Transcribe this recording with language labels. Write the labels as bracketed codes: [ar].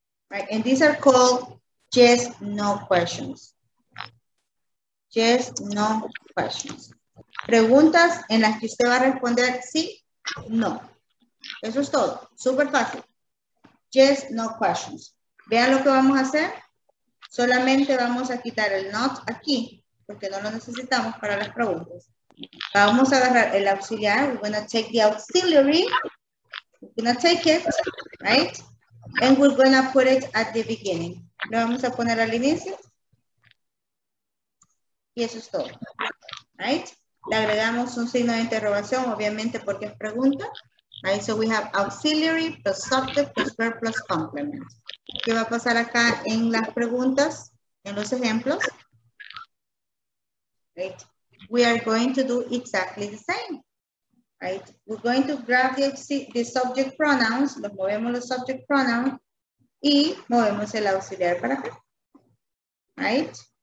[en] Right, and these are called yes, no questions. Yes, no questions. [es] Preguntas en las que usted va a responder sí, no. Eso es todo. Súper fácil. [en] Yes, no questions. [es] Vean lo que vamos a hacer. Solamente vamos a quitar el not aquí, porque no lo necesitamos para las preguntas. Vamos a agarrar el auxiliar. [en] We're going to take the auxiliary. We're going to take it, right? And we're going to put it at the beginning. [es] Lo vamos a poner al inicio. Y eso es todo. [en] Right? [es] Le agregamos un signo de interrogación, obviamente, porque es pregunta. [en] Right? So we have auxiliary plus subject plus verb plus complement. [es] ¿Qué va a pasar acá en las preguntas, en los ejemplos? [en] Right? We are going to do exactly the same. Right? We're going to grab the subject pronouns. [es] Los movemos los subject pronouns. Y movemos el auxiliar para acá. [en] Right?